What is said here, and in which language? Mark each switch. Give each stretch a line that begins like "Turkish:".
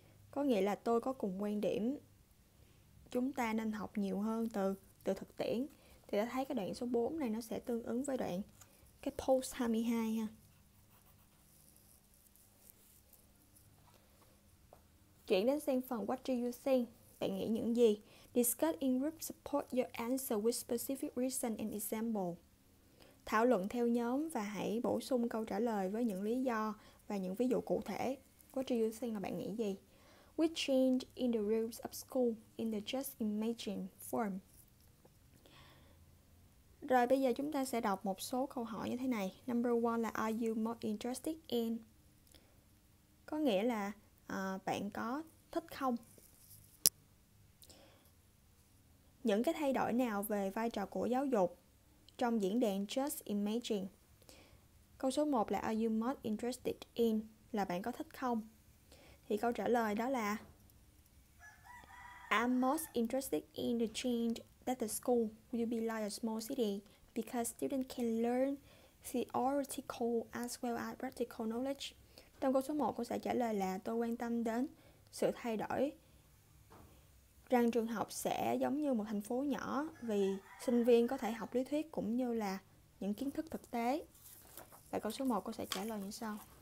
Vietnamese: Có nghĩa là tôi có cùng quan điểm chúng ta nên học nhiều hơn từ thực tiễn. Thì đã thấy cái đoạn số 4 này nó sẽ tương ứng với đoạn cái post 22 ha. Chuyển đến sang phần
English: what do you think?
Vietnamese: Bạn nghĩ những gì?
English: Discuss in group, support your answer with specific reason and example.
Vietnamese: Thảo luận theo nhóm và hãy bổ sung câu trả lời với những lý do và những ví dụ cụ thể.
English: What do you think
Vietnamese: là bạn nghĩ gì?
English: We change in the rules of school in the just imagine form.
Vietnamese: Rồi bây giờ chúng ta sẽ đọc một số câu hỏi như thế này.
English: Number 1
Vietnamese: là
English: are you more interested in?
Vietnamese: Có nghĩa là bạn có thích không? Những cái thay đổi nào về vai trò của giáo dục trong diễn đàn Just Imagine? Câu số 1 là
English: are you more interested in?
Vietnamese: Là bạn có thích không? Thì câu trả lời đó là
English: I'm most interested in the change that the school will be like a small city because students can learn theoretical as well as practical knowledge.
Vietnamese: Trong câu số 1 cô sẽ trả lời là tôi quan tâm đến sự thay đổi rằng trường học sẽ giống như một thành phố nhỏ vì sinh viên có thể học lý thuyết cũng như là những kiến thức thực tế. Và câu số 1 cô sẽ trả lời như sau.